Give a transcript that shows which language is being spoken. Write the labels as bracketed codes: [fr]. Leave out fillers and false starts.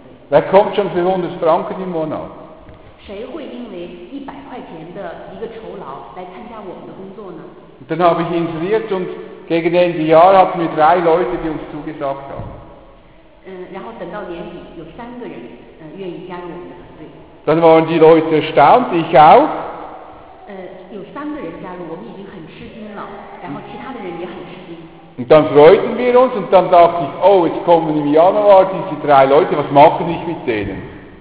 [de] Wer kommt schon für 100 Franken im Monat? [zh] 谁会因为100块钱的一个酬劳来参加我们的工作呢? [de] Und dann habe ich inseriert und gegen Ende Jahr hatten wir 3 Leute, die uns zugesagt haben. [zh] 然后等到年底有三个人愿意加入我们的团队。 [de] Dann waren die Leute erstaunt, ich auch. [zh] 有三个人加入，我们已经很吃惊了，然后其他的人也很吃惊。 [de] Und dann freuten wir uns und dann dachte ich, oh, jetzt kommen im Januar diese 3 Leute, was mache ich mit denen?